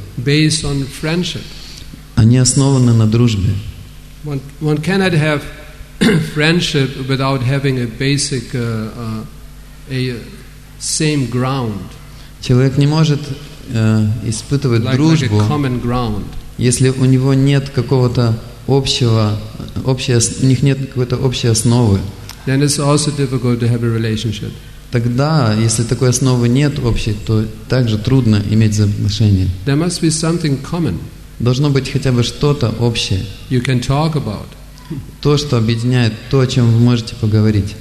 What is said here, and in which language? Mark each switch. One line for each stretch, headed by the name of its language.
English: Based on friendship.
Russian: Они основаны на дружбе.
English: One cannot have friendship without having a basic a same ground.
Russian: Человек не может испытывать дружбу,
English: like a common ground.
Russian: Если у него нет какого-то у них нет какой-то общей основы.
English: Then it's also difficult to have a relationship.
Russian: Тогда, если такой основы нет общей, то также трудно иметь взаимоотношения.
English: There must be something common.
Russian: Должно быть хотя бы что-то общее.
English: You can talk about.
Russian: То, что объединяет, то, о чем вы можете поговорить.